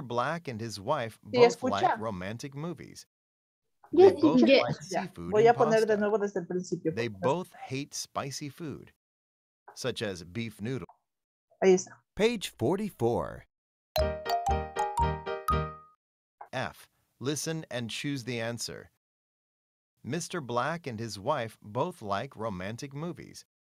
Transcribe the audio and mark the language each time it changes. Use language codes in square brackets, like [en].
[en] Black and his wife both like romantic movies. [es] Voy a poner de nuevo desde el principio. [en] They both hate spicy food, such as beef noodle. [es] Ahí está. [en] Page 44. F. Listen and choose the answer. Mr. Black and his wife both like romantic movies.